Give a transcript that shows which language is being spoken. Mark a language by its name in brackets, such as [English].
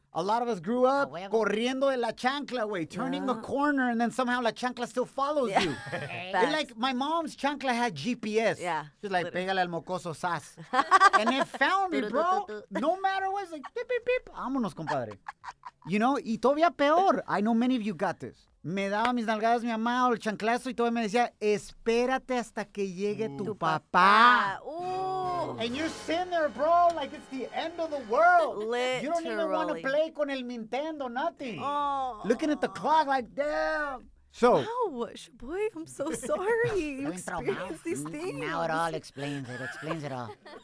[English] A lot of us grew up [Spanish] corriendo de la chancla, [English] way, turning the corner, and then somehow la chancla still follows you. Okay. Like, my mom's chancla had GPS. Yeah. She's like, [Spanish] pégale al mocoso sas. [English] And it found me, bro. No matter what, it's like, beep, beep, beep. [Spanish] Vámonos, compadre. [English] You know, [Spanish] y todavía peor. [English] I know many of you got this. [Spanish] Me daba mis nalgadas mi mamá o el chanclazo y todavía me decía, espérate hasta que llegue tu papá. [English] Ooh. And you're sitting there, bro, like it's the end of the world. Literally. You don't even want to play [Spanish] con el Nintendo, [English] nothing. Oh. Looking at the clock like, damn. So. Wow, boy, I'm so sorry. You experienced these things. Now it all explains it. Explains it all.